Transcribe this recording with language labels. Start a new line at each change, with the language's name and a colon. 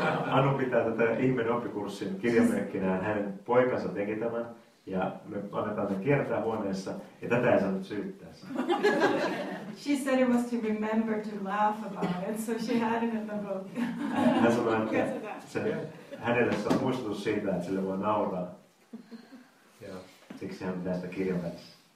Finnish: Anu pitää tätä ihmeen oppikurssin kirjamerkkinä, hänen poikansa teki tämän, ja me annetaan tämän kiertää huoneessa, ja tätä ei saanut syyttää.
English: She said it was to remember to laugh about it, so she had it in the book.
Finnish: Hän sanoi, että se, hänelle se on muistutus siitä, että sille voi nauraa.
English: Yeah.
Finnish: Siksi hän pitää sitä kirjamerkkinä.